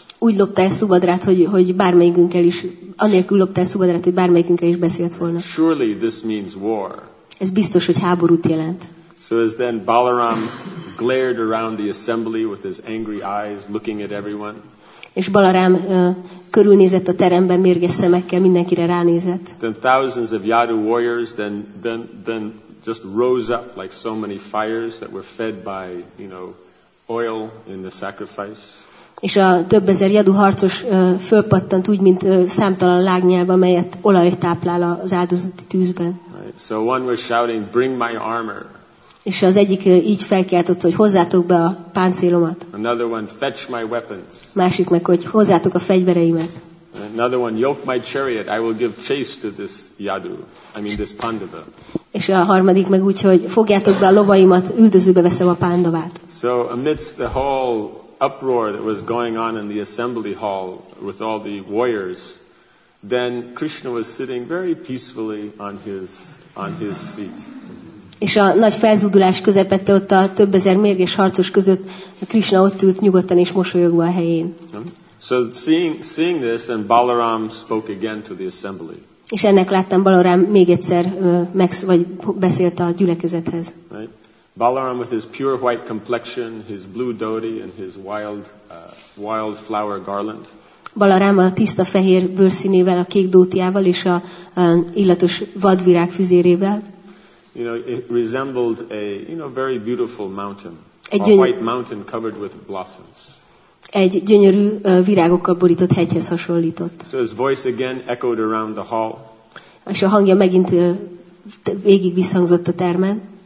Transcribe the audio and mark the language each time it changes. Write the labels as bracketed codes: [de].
[hu] Úgy lopta el Subhadrát, hogy bármelyikünkkel is, anélkül lopta el Subhadrát, hogy bármelyikünkkel is beszélt volna. [en] Surely this means war. [hu] Ez biztos, hogy háborút jelent. [en] So as then Balaram glared around the assembly with his angry eyes looking at everyone. [hu] És Balaram körülnézett a teremben mérges szemekkel, mindenkire ránézett. [en] Then thousands of Yadu warriors then just rose up like so many fires that were fed by, you know, oil in the sacrifice. [hu] És a több ezer Yadu harcos fölpattant úgy, mint számtalan lágnyelv, amelyet olaj táplál az áldozati tűzben. [en] Right. So one was shouting, bring my armor. [hu] És az egyik így felkiáltott, hogy hozzátok be a páncélomat. [en] Another one, fetch my weapons. [hu] Másik meg, hogy hozzátok a fegyvereimet. [en] Another one, yoke my chariot, I will give chase to this Yadu. I mean this Pandava. [hu] És a harmadik meg úgy, hogy fogjátok be a lovaimat, üldözőbe veszem a Pandavát. [en] So amidst the whole uproar that was going on in the assembly hall with all the warriors, then Krishna was sitting very peacefully on his seat. [hu] És a nagy felzúdulás közepette ott a több ezer mérges harcos között Krishna ott ült nyugodtan és mosolyogva a helyén. [en] So seeing this, and Balaram spoke again to the assembly. [hu] És ennek láttam Balaram még egyszer vagy beszélt a gyülekezethez. [en] Right? Balaram with his pure white complexion, his blue dhoti and his wild flower garland. [hu] Balaram a tiszta fehér bőrszínével, a kék dótiával és a illatos vadvirág füzérével. [en] You know, it resembled a, you know, very beautiful mountain, a white mountain covered with blossoms. [hu] Egy gyönyörű virágokkal borított hegyhez hasonlított. [en] So his voice again echoed around the hall. [hu] És a hangja megint végig visszhangzott a termen.